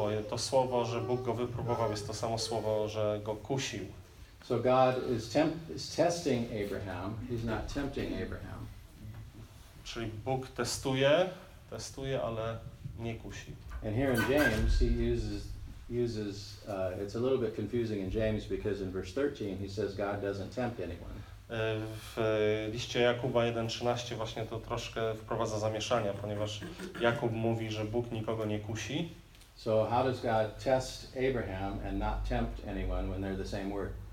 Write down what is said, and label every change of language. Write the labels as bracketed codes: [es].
[pl] To słowo, że Bóg go wypróbował, jest to samo słowo, że go kusił. [en] So God is testing Abraham, he's not tempting Abraham. [pl] Czyli Bóg testuje, ale nie kusi. [en] And here in James he uses it's a little bit confusing in James because in verse 13 he says God doesn't tempt anyone. [pl] W liście Jakuba 1:13 właśnie to troszkę wprowadza zamieszania, ponieważ Jakub mówi, że Bóg nikogo nie kusi. [en] So how does God test Abraham and not tempt anyone when they're the same word?